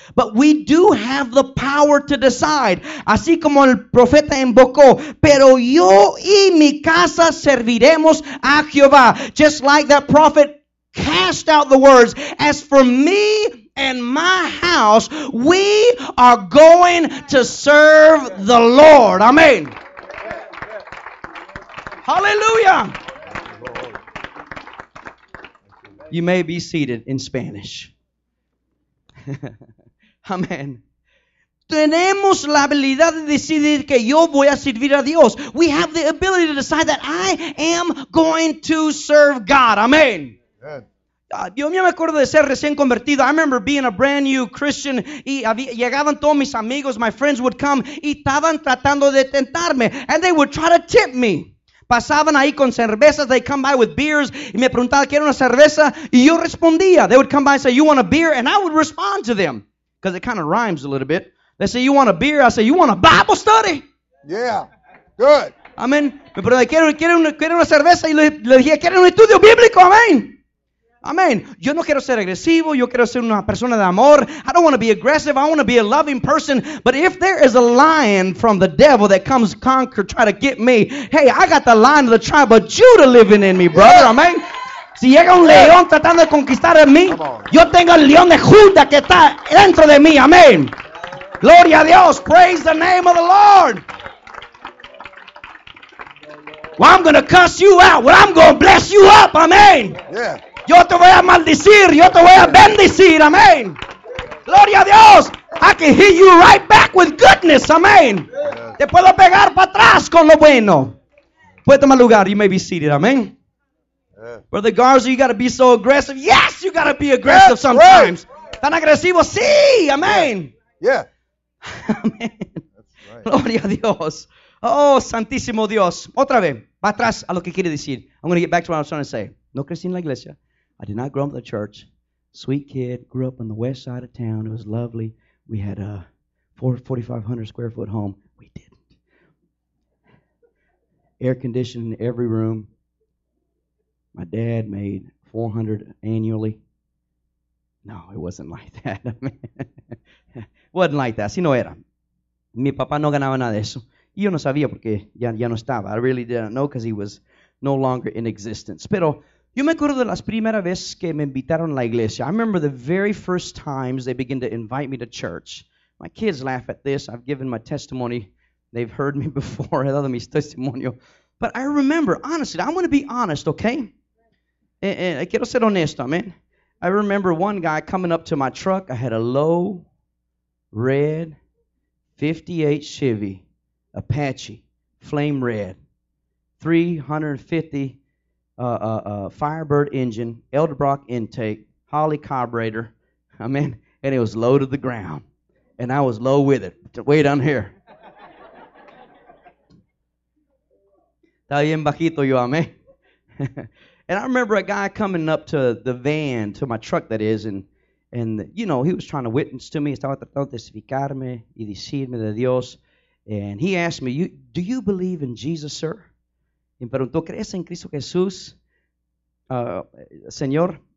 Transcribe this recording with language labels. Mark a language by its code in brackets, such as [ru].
[en] But we do have the power to decide. [es] Así como el profeta invocó, pero yo y mi casa serviremos a Jehová. [en] Just like that prophet cast out the words, as for me and my house, we are going to serve the Lord. Amen. Hallelujah. You may be seated in Spanish. Amen. [es] Tenemos la habilidad de decidir que yo voy a servir a Dios. [en] We have the ability to decide that I am going to serve God. [es] Amen. Yo me acuerdo de ser recién convertido. [en] I remember being a brand new Christian. [es] Y llegaban todos mis amigos, [en] my friends would come. [es] Y estaban tratando de tentarme. [en] And they would try to tempt me. [es] Pasaban ahí con cervezas, [en] they come by with beers, [es] y me preguntaban, ¿quieres una cerveza? Y yo respondía. [en] They would come by and say, you want a beer? And I would respond to them, because it kind of rhymes a little bit. They say, you want a beer? I say, you want a Bible study? Yeah, good. Amen. [es] Me preguntaban, ¿quieres una cerveza? Y le dije, ¿quieres un estudio bíblico? Amen. Amen. Yo no quiero ser agresivo, yo quiero ser una persona de amor. [en] I don't want to be aggressive, I want to be a loving person. But if there is a lion from the devil that comes conquer, try to get me, hey, I got the lion of the tribe of Judah living in me, brother. Yeah. Amen. [es] Si llega un león tratando de conquistar a mí, yo tengo el león de Judá que está dentro de mí. [en] Amen. [es] Gloria a Dios. [en] Praise the name of the Lord. Well, I'm going to cuss you out. Well, I'm going to bless you up. Amen. Yeah. [es] Yo te voy a maldecir, yo te voy a bendecir, amén. Gloria a Dios. [en] I can hit you right back with goodness, [es] amén. Te puedo pegar para atrás con lo bueno. Puede tomar lugar, [en] you may be seated, amén. Brother Garza, you got to be so aggressive. Yes, you got to be aggressive That's sometimes. Right. [es] Tan agresivo, sí, amén. Yeah. Amén. Gloria a Dios. Oh, santísimo Dios. Otra vez, para atrás a lo que quiere decir. [en] I'm going to get back to what I was trying to say. [es] No crecí en la iglesia. [en] I did not grow up in the church. Sweet kid, grew up on the west side of town. It was lovely. We had a 4,500 square foot home. We didn't. Air conditioned in every room. My dad made $400 annually. No, it wasn't like that. It wasn't like that. [es] Así no era. Mi papá no ganaba nada de eso. Yo no sabía porque ya no estaba. [en] I really didn't know because he was no longer in existence. [es] Pero yo me acuerdo de las primeras veces que me invitaron a la iglesia. [en] I remember the very first times they began to invite me to church. My kids laugh at this. I've given my testimony. They've heard me before. [es] He dado mi testimonio. [en] But I remember, honestly, I want to be honest, okay? [es] Quiero ser honesto, man. [en] I remember one guy coming up to my truck. I had a low, red, 58 Chevy, Apache, flame red, 350 Firebird engine, Elderbrock intake, Holley carburetor, amen, and it was low to the ground, and I was low with it, way down here. [es] Estaba bien bajito yo, amen. [en] And I remember a guy coming up to the van, to my truck that is, and you know, he was trying to witness to me, [es] estaba tratando de testificarme y decirme de Dios, [en] and he asked me, do you believe in Jesus, sir? [es] Y me preguntó, ¿crees en Cristo Jesús, Señor?